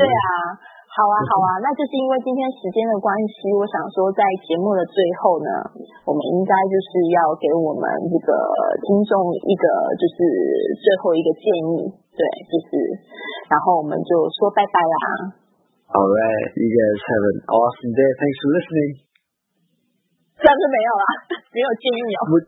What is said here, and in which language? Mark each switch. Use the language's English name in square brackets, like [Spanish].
[Chinese] 对啊，好啊好啊，那就是因为今天时间的关系，我想说在节目的最后呢，我们应该就是要给我们这个听众一个就是最后一个建议，对，就是然后我们就说拜拜啦。 [English] Alright, you guys have an awesome day, thanks for listening. [Chinese] 这样就没有啦，没有建议哦。